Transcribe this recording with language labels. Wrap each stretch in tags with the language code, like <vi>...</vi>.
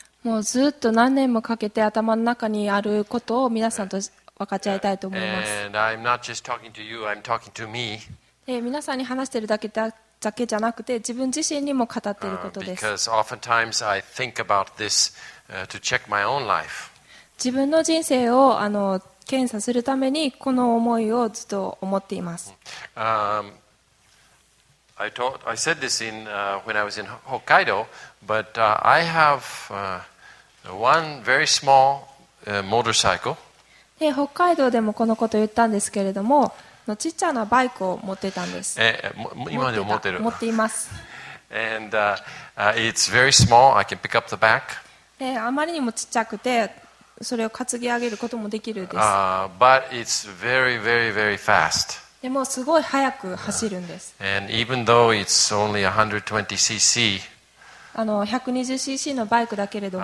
<ja>もうずっと何年もかけて頭の中にあることを皆さんと分かち合いたいと思います。</ja> <en>And I'm not just talking to you, I'm talking to me.</en> <ja>皆さんに話しているだけじゃなくて自分自身にも語っていることです。</ja> <en>Because oftentimes I think about this to check my own life.</en> <ja>自分の人生を検査するためにこの思いをずっと思っています。</ja> <en>I said this in when I was in Hokkaido, but I have one very small motorcycle.</en> <ja>で、北海道でもこのことを言ったんですけれども、のちっちゃなバイクを持ってたんです。今でも持ってる。持っています。</ja> <en>And it's very small. I can pick up the back.</en> <ja>で、あまりにもちっちゃくて。それを担ぎ上げることもできるです。</ja> <en>But it's very, very, very fast.</en> <ja>でもすごい速く走るんです。</ja> <en>And even though it's only 120cc,</en> <ja>120cc のバイクだけれども、</ja>